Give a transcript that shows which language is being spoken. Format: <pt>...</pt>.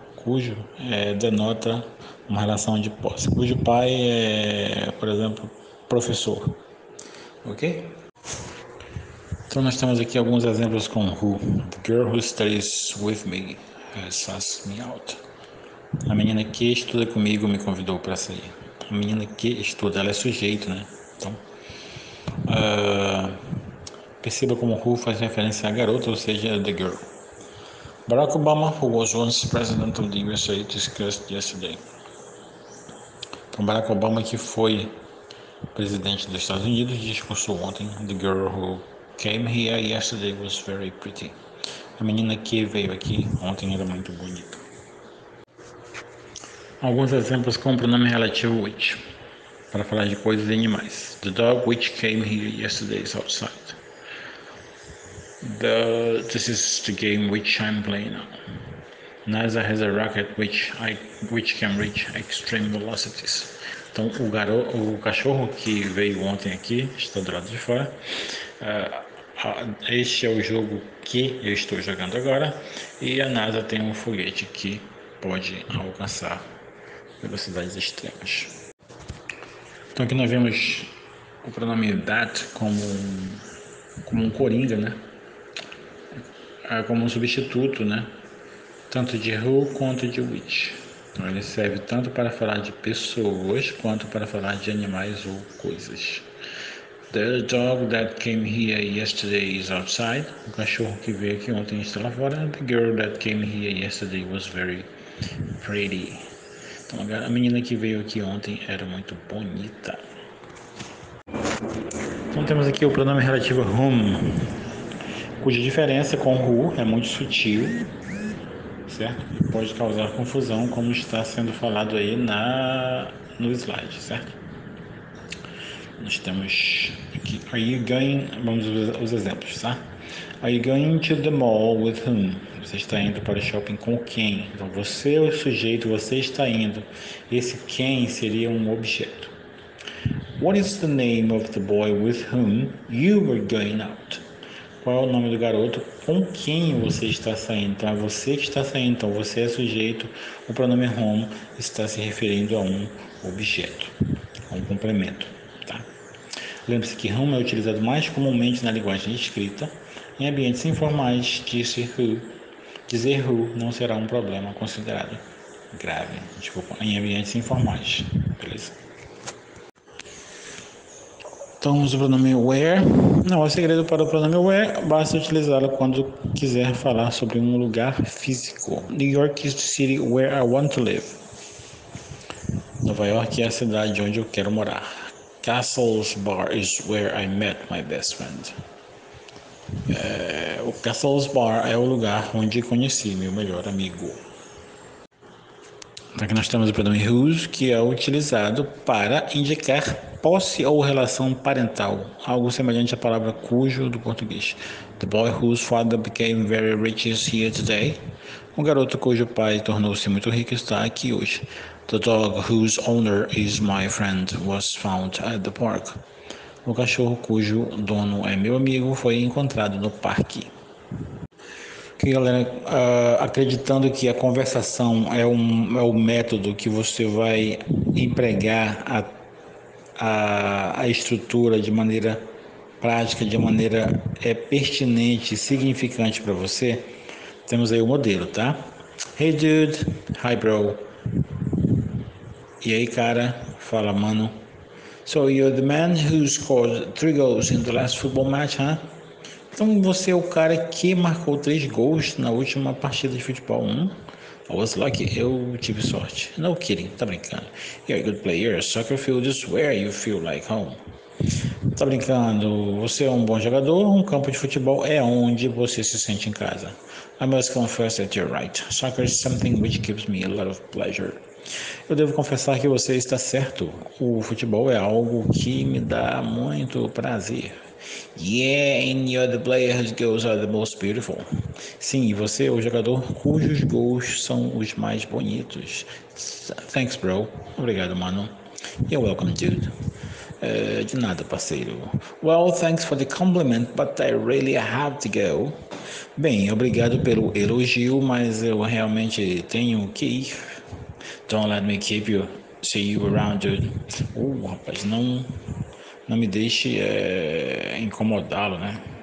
<pt>Cujo denota uma relação de posse, cujo pai é, por exemplo, professor. Ok? Então nós temos aqui alguns exemplos com who.</pt> <en>The girl who studies with me has asked me out.</en> <pt>A menina que estuda comigo me convidou para sair. A menina que estuda, ela é sujeito, né? Então, perceba como who faz referência à garota, ou seja, the girl.</pt> <en>Barack Obama, who was once president of the USA, discussed yesterday.</en> <pt>Então, Barack Obama, que foi presidente dos Estados Unidos, discursou ontem.</pt> <en>The girl who came here yesterday was very pretty.</en> <pt>A menina que veio aqui ontem era muito bonita. Alguns exemplos com o pronome relativo which, para falar de coisas e animais.</pt> <en>The dog which came here yesterday is outside. This is the game which I'm playing now. NASA has a rocket which can reach extreme velocities.</en> <pt>Então, o cachorro que veio ontem aqui está do lado de fora. Este é o jogo que eu estou jogando agora. E a NASA tem um foguete que pode alcançar velocidades extremas. Então, aqui nós vemos o pronome that como um coringa, né? Como um substituto, né? Tanto de who quanto de which. Então, ele serve tanto para falar de pessoas quanto para falar de animais ou coisas.</pt> <en>The dog that came here yesterday is outside.</en> <pt>O cachorro que veio aqui ontem está lá fora.</pt> <en>The girl that came here yesterday was very pretty.</en> <pt>Então, a menina que veio aqui ontem era muito bonita. Então, temos aqui o pronome relativo whom, cuja diferença com who é muito sutil. Certo? E pode causar confusão, como está sendo falado aí no slide, certo? Nós temos aqui.</pt> <en>Are you going?</en> <pt>Vamos ver os exemplos, tá?</pt> <en>Are you going to the mall with whom?</en> <pt>Você está indo para o shopping com quem? Então, você é o sujeito, você está indo. Esse quem seria um objeto.</pt> <en>What is the name of the boy with whom you were going out?</en> <pt>Qual é o nome do garoto com quem você está saindo? Então, é você que está saindo, então você é sujeito. O pronome whom está se referindo a um objeto, a um complemento, tá? Lembre-se que whom é utilizado mais comumente na linguagem escrita. Em ambientes informais, disse who. Dizer who não será um problema considerado grave. Desculpa, em ambientes informais, beleza? Então, usa o pronome where. Não há segredo para o pronome where, basta utilizá-lo quando quiser falar sobre um lugar físico.</pt> <en>New York is the city where I want to live.</en> <pt>Nova York é a cidade onde eu quero morar.</pt> <en>Castle's Bar is where I met my best friend.</en> <pt>O Castle's Bar é o lugar onde conheci meu melhor amigo. Aqui nós temos o pronome whose, que é utilizado para indicar posse ou relação parental, algo semelhante à palavra cujo do português.</pt> <en>The boy whose father became very rich is here today.</en> <pt>O garoto cujo pai tornou-se muito rico está aqui hoje.</pt> <en>The dog whose owner is my friend was found at the park.</en> <pt>O cachorro cujo dono é meu amigo foi encontrado no parque. Que galera, acreditando que a conversação é o método que você vai empregar a estrutura de maneira prática, de maneira pertinente, significante para você, temos aí o modelo, tá?</pt> <en>Hey dude, hi bro.</en> <pt>E aí, cara, fala mano.</pt> <en>So you're the man who scored three goals in the last football match, huh?</en> <pt>Então você é o cara que marcou três gols na última partida de futebol, hein?</pt> <en>I was lucky,</en> <pt>eu tive sorte.</pt> <en>No kidding,</en> <pt>tá brincando.</pt> <en>You're a good player, soccer field is where you feel like home.</en> <pt>Tá brincando, você é um bom jogador, um campo de futebol é onde você se sente em casa.</pt> <en>I must confess that you're right. Soccer is something which gives me a lot of pleasure.</en> <pt>Eu devo confessar que você está certo. O futebol é algo que me dá muito prazer.</pt> <en>Yeah, and you're the player whose goals are the most beautiful.</en> <pt>Sim, você é o jogador cujos gols são os mais bonitos.</pt> <en>Thanks, bro.</en> <pt>Obrigado, mano.</pt> <en>You're welcome, dude.</en> <pt>De nada, parceiro.</pt> <en>Well, thanks for the compliment, but I really have to go.</en> <pt>Bem, obrigado pelo elogio, mas eu realmente tenho que ir.</pt> <en>Don't let me keep you. See you around, dude.</en> <pt>Rapaz, não me deixe incomodá-lo, né?</pt>